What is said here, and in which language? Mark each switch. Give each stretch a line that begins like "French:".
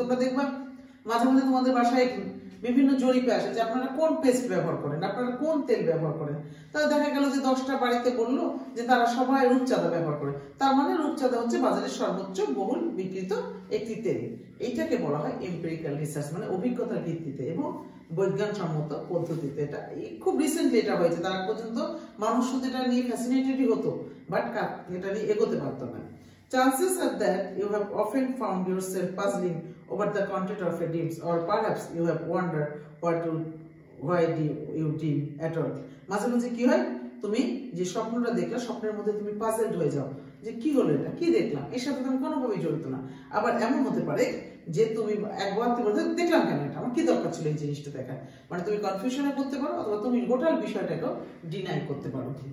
Bangla: তোমরা দেখবা মাঝে মাঝে তোমাদের বাসায় বিভিন্ন জরিপে আসে যে আপনারা কোন পেস্ট ব্যবহার করেন, আপনারা কোন তেল ব্যবহার করেন, তাহলে দেখা গেল যে 10টা বাড়িতে বললো যে তারা সবাই রূপচাঁদা ব্যবহার করে, তার মানে রূপচাঁদা হচ্ছে বাজারের সর্বোচ্চ বহুল বিক্রিত একটি তেল। এইটাকে বলা হয় এম্পিরিক্যাল রিসার্চ, মানে অভিজ্ঞতার ভিত্তিতে এবং বৈজ্ঞানসম্মত পদ্ধতিতে। এটা খুব রিসেন্টলি এটা হয়েছে, তার পর্যন্ত মানুষ শুধু এটা নিয়ে ফ্যাসিনেটেডই হতো বাট এটা নিয়ে এগোতে পারতো না।
English: Chances are that you have often found yourself puzzling over the content of your dreams, or perhaps you have wondered why you dream at all.
Bangla: মাঝে মাঝে কি হয়, তুমি যে স্বপ্নটা দেখলে স্বপ্নের মধ্যে তুমি পাজেলড হয়ে যাও যে কি হলো এটা, কি দেখলাম, এর সাথে তুমি কোনোভাবেই জড়িত না। আবার এমন হতে পারে যে তুমি একবার তুমি বলতে দেখলাম কেন এটা, আমার কি দরকার ছিল এই জিনিসটা দেখা, মানে তুমি কনফিউশনে পড়তে পারো, অথবা তুমি গোটাল বিষয়টাকেও ডিনাই করতে পারো।